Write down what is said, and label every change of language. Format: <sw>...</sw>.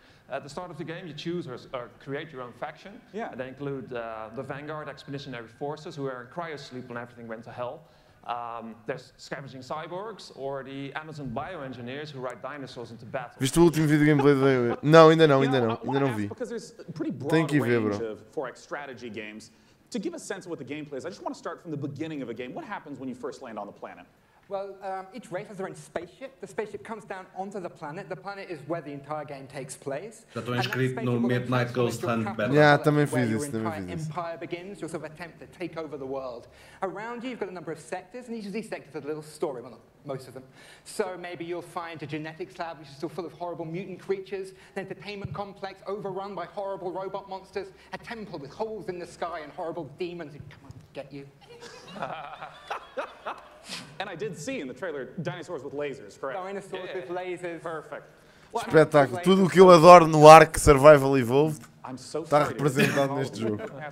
<en>At the start of the game, you choose or create your own faction. Yeah. They include the Vanguard Expeditionary Forces, who are in cryosleep when everything went to hell. There's scavenging cyborgs, or the Amazon bioengineers who ride dinosaurs into battle.</en> <pt>Viste o último vídeo de gameplay do Não, ainda não vi.</pt> <en>Because there's a pretty broad range of 4X strategy games. To give a sense of what the gameplay is, I just want to start from the beginning of a game. What happens when you first land on the planet? Well, each race has their own spaceship. The spaceship comes down onto the planet. The planet is where the entire game takes place.</en> <pt>Já estou inscrito no Midnight Ghost Hunt Battle. Yeah, também fiz isso, também fiz isso.</pt> <en>Where your entire empire begins, your sort of attempt to take over the world. Around you, you've got a number of sectors, and each of these sectors has a little story. Well, not most of them. So maybe you'll find a genetics lab, which is still full of horrible mutant creatures, an entertainment complex overrun by horrible robot monsters, a temple with holes in the sky and horrible demons who come and get you. And I did see in the trailer dinosaurs with lasers, correct? Dinosaurs with lasers. Perfect.</en> <pt>Espetáculo. Lasers. Tudo o que eu adoro no Ark Survival Evolved está representado neste jogo.</pt>